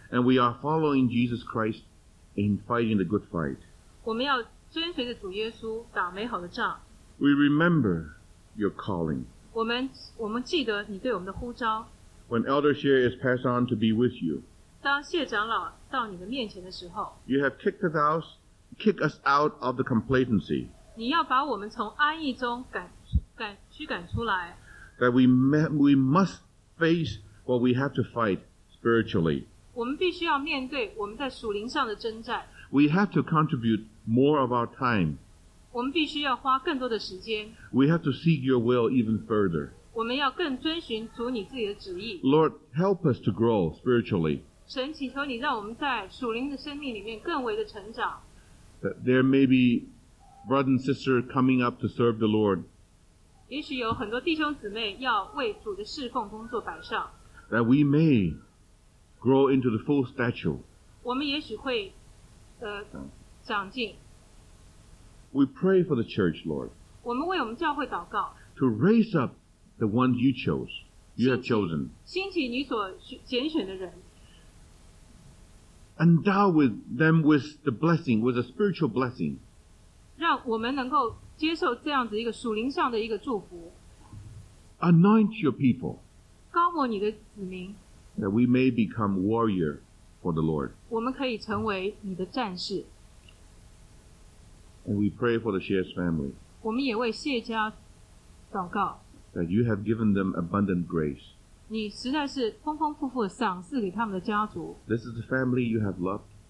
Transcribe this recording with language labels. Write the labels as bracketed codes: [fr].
[en] And we are following Jesus Christ in fighting the good fight. [zh] 我们要遵随着主耶稣打美好的仗。 [en] We remember your calling. [zh] 我们记得你对我们的呼召。 [en] When Elder Shear is passed on to be with you. [zh] 当谢长老到你的面前的时候， [en] You have kicked us out of the complacency. [zh] 你要把我们从安逸中驱赶出来。 [en] That we must face what we have to fight spiritually. [zh] 我们必须要面对我们在属灵上的征战。 [en] We have to contribute more of our time. [zh] 我们必须要花更多的时间。 [en] We have to seek your will even further. [zh] 我们要更遵循主你自己的旨意。 [en] Lord, help us to grow spiritually. [zh] 神，请求你让我们在属灵的生命里面更为的成长。 [en] That there may be brother and sister coming up to serve the Lord. [zh] 也许有很多弟兄姊妹要为主的侍奉工作摆上。 [en] That we may grow into the full stature. [zh] 我们也许会长进。 [en] We pray for the church, Lord. [zh] 我们为我们教会祷告。 [en] To raise up the ones you have chosen. [zh] 兴起你所拣选的人。 [en] Endow with them with the blessing, with a spiritual blessing. [zh] 让我们能够接受这样子一个属灵上的一个祝福。 [en] Anoint your people. [zh] 高抹你的子民。 [en] That we may become warrior for the Lord. [zh] 我们可以成为你的战士。 [en] And we pray for the Shears family. [zh] 我们也为谢家祷告。 [en] That you have given them abundant grace. [zh] 你实在是丰丰富富的赏赐给他们的家族。 [en] This is the family you have loved.